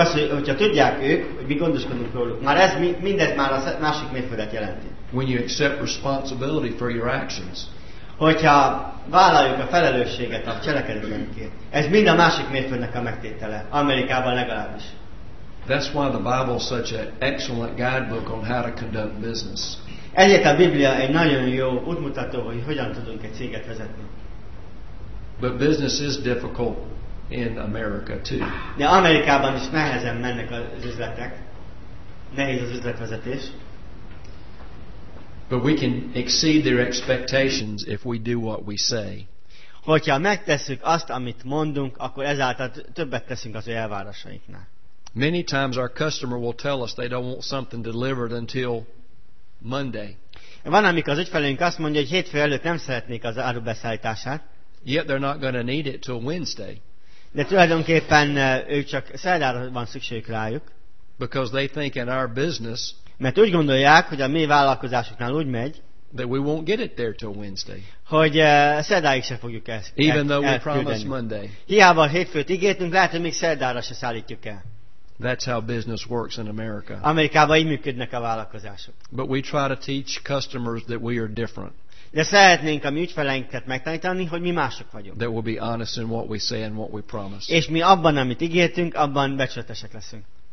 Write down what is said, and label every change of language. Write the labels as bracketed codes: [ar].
[hu] Hogyha tudják ők, hogy mi gondoskodunk róluk. Már ez mindez már a másik mérföldet jelenti. [en] When you accept responsibility for your actions. [hu] Hogyha vállaljuk a felelősséget a cselekedetünkért. Ez mind a másik mérföldnek a megtétele. Amerikában legalábbis. [en] That's why the Bible is such an excellent guidebook on how to conduct business. [hu] Ezért a Biblia egy nagyon jó útmutató, hogy hogyan tudunk egy céget vezetni. [en] But business is difficult in America too. [hu] De Amerikában is nehezen mennek az üzletek. Nehéz az üzletvezetés. [en] But we can exceed their expectations if we do what we say. [hu] Hogyha megtesszük azt, amit mondunk, akkor ezáltal többet teszünk az ő elvárásainknál. [en] Many times our customer will tell us they don't want something delivered until Monday. [hu] Van, amikor az ügyfelünk azt mondja, hogy hétfő előtt nem szeretnék az áru beszállítását. [en] Yet they're not going to need it till Wednesday. [hu] De tulajdonképpen ők csak szerdára van szükségük rájuk. [en] Because they think in our business. [hu] Mert úgy gondolják, hogy a mi vállalkozásoknál úgy megy. [en] That we won't get it there till Wednesday. [hu] Hogy szerdáig se fogjuk ezt. [en] Even though we promised Monday. [hu] Hiába a hétfőt ígértünk, lehet, hogy még szerdára se szállítjuk el. [en] That's how business works in America. [hu] Amerikában így működnek a vállalkozások. [en] But we try to teach customers that we are different. [hu] De szeretnénk a mi ügyfeleinket megtanítani, hogy mi mások vagyunk. [en] That we'll be honest in what we say and what we promise. [hu] És mi abban, amit ígértünk, abban becsületesek leszünk.